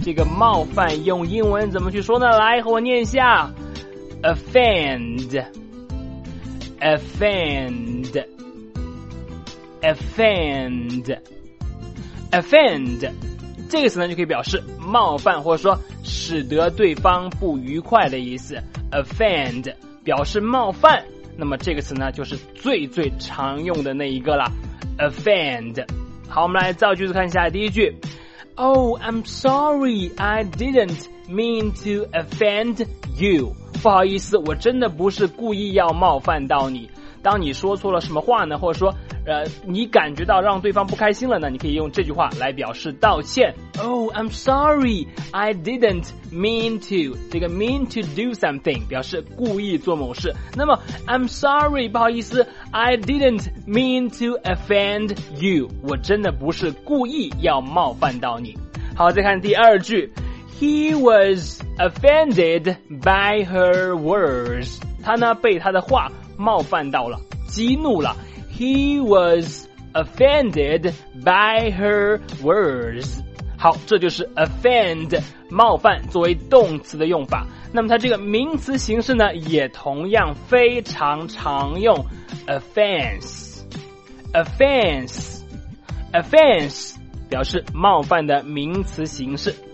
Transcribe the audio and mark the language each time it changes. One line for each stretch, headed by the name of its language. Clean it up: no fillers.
Chinese: 这个冒犯用英文怎么去说呢？来，和我念一下 ，offend。这个词呢就可以表示冒犯或者说使得对方不愉快的意思， offend 表示冒犯，那么这个词呢就是最最常用的那一个了， offend。好，我们来造句子看一下。第一句，
English: Oh, I'm sorry, I didn't mean to offend you。
Chinese: 不好意思，我真的不是故意要冒犯到你。当你说错了什么话呢，或者说你感觉到让对方不开心了呢，你可以用这句话来表示道歉。
English: Oh, I'm sorry, I didn't mean to。
Chinese: 这个
English: mean to do something
Chinese: 表示故意做某事，那么
English: I'm sorry
Chinese: 不好意思，
English: I didn't mean to offend you，
Chinese: 我真的不是故意要冒犯到你。好，再看第二句，
English: He was offended by her words。
Chinese: 他呢被他的话冒犯到了，激怒了。
English: He was offended by her words。
Chinese: 好，这就是 offend 冒犯作为动词的用法。那么它这个名词形式呢也同样非常常用， offense 表示冒犯的名词形式。